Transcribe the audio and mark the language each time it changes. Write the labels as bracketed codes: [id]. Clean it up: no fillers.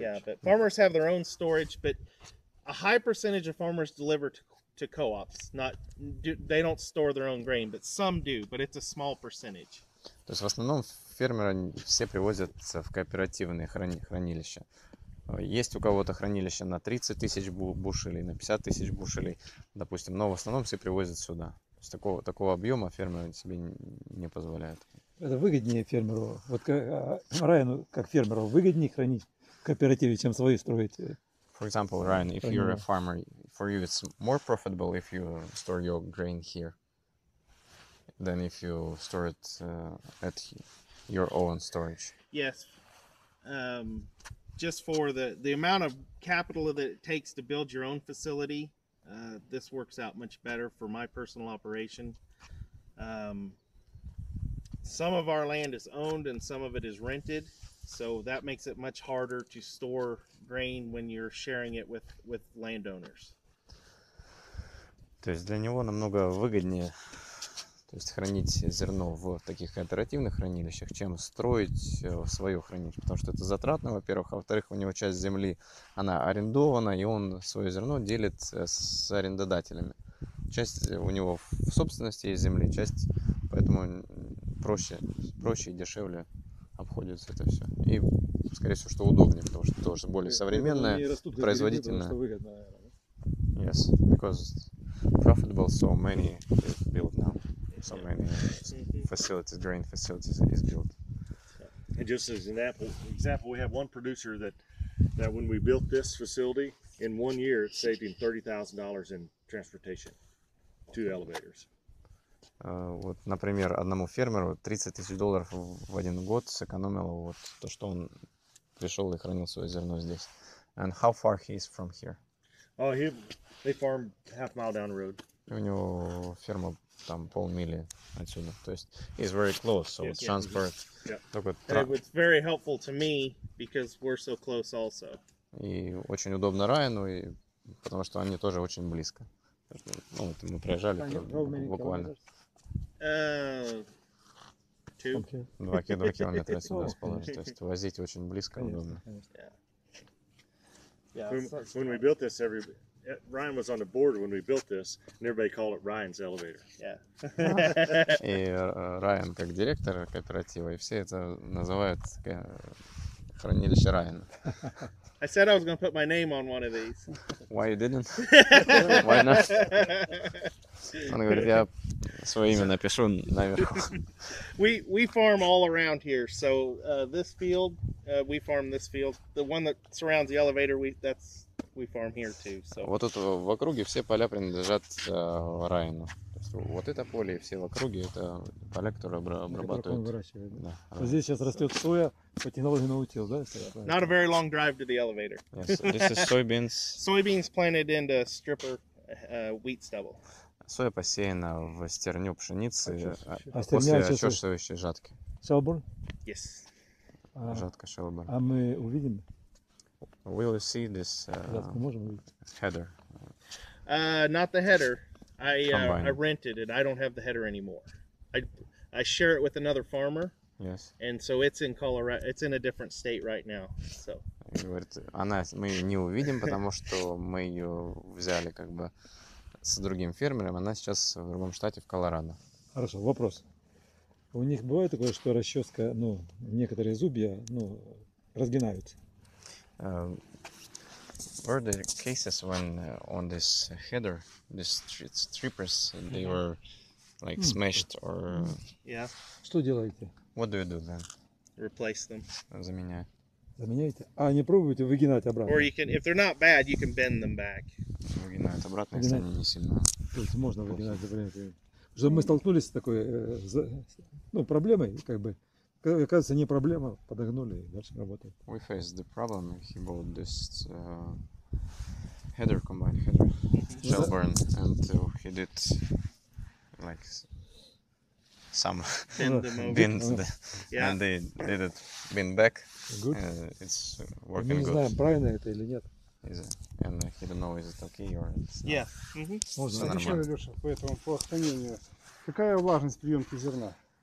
[en] Yeah, but farmers have their own storage, but a high percentage of farmers deliver to co-ops. They don't store their own grain, but some do, but it's a small percentage. [ru] То есть в основном фермеры все привозят в кооперативные хранилища. Есть у кого-то хранилище на 30 тысяч бушелей, на 50 тысяч бушелей, допустим, но в основном все привозят сюда. То есть такого объема фермеры себе не позволяют. Это выгоднее фермеру, вот Райану как фермеру выгоднее хранить в кооперативе, чем свои строить? [en] For example, Ryan, if you're a farmer, for you it's more profitable if you store your grain here than if you store it at your own storage. Yes. Just for the amount of capital that it takes to build your own facility, this works out much better for my personal operation. Some of our land is owned and some of it is rented, so that makes it much harder to store grain when you're sharing it with landowners. [ru] То есть для него намного выгоднее, то есть хранить зерно в таких кооперативных хранилищах, чем строить свое хранилище, потому что это затратно, во-первых, а во-вторых, у него часть земли, она арендована, и он свое зерно делит с арендодателями. Часть у него в собственности есть земли, часть, поэтому проще и дешевле обходится это все. И, скорее всего, что удобнее, потому что тоже более современное, производительное. [en] Yes, because profitable, so many is built now. So many facilities, grain facilities is built. And just as an example, we have one producer that when we built this facility, in one year it saved him $30,000 in transportation, two elevators. [ru] Вот, например, одному фермеру $30,000 в один год сэкономило вот то, что он пришел и хранил свое зерно здесь. [en] And how far he is from here? Oh, they farm half mile down the road. [ru] У него ферма там полмили отсюда. То есть [en] he's very close, so yes, transport. Yeah. It's very helpful to me because we're so close also. [ru] И очень удобно Райану, и потому что они тоже очень близко. Ну, вот мы проезжали буквально. [en] Two. Okay. [ru] 2 километра сюда расположен. То есть возить очень близко, конечно, удобно. Конечно. [en] Yeah. When we built this, Ryan was on the board when we built this, and everybody called it Ryan's elevator. Yeah. [ru] И Райан как директор кооператива, и все это называют хранилище Райана. [en] I said I was going to put my name on one of these. Why you didn't? Why not? [ru] Он говорит, я свое имя напишу наверху. [en] We farm all around here, so this field, we farm this field. The one that surrounds the elevator, we farm here too. So. [ru] Вот тут в округе все поля принадлежат Райану. Вот это поле и все в округе, это поля, которые обрабатывают. Да. Здесь сейчас растет соя, потянулся на утил, да? [en] Not a very long drive to the elevator. Yes, this is soybeans. Soybeans planted in the stripper wheat stubble. [ru] Соя посеяна в стерню пшеницы после очёсывающей жатки. [en] Shelburne? Yes. [ru] Жатка Shelburne. А мы увидим? [en] Will you see this header? Not the header. I rented it. I don't have the header anymore. I share it with another farmer. Yes. And so it's in Colorado. It's in a different state right now. So. [ru] Говорит, она мы ее не увидим, потому что мы ее взяли как бы с другим фермером. Она сейчас в другом штате, в Колорадо. Хорошо. Вопрос. У них бывает такое, что расческа, ну некоторые зубья, ну разгинаются. [en] Were the cases when on this header, this strippers, they were like smashed or? Yeah. [ru] Что делаете? [en] What do you do then? Replace them. [ru] Заменяю. Заменяете? А не пробуете выгинать обратно? [en] Or you can, if they're not bad, you can bend them back. [ru] выгинают обратно, если они не сильно. То есть можно выгинать за время. Что мы столкнулись с такой проблемой, как бы. Оказывается, не проблема, подогнули и дальше работает. [en] We faced the problem, he bought this header combine, header shell burn, and he did like some bin, and they did it bin back. Good. It's working good. [ru] Не знаю, правильно это или нет. [en] Is it? And he don't know, is it okay or it's not. Yeah. [ru] Можно еще, Леша, по этому, по хранению. Какая влажность приемки зерна?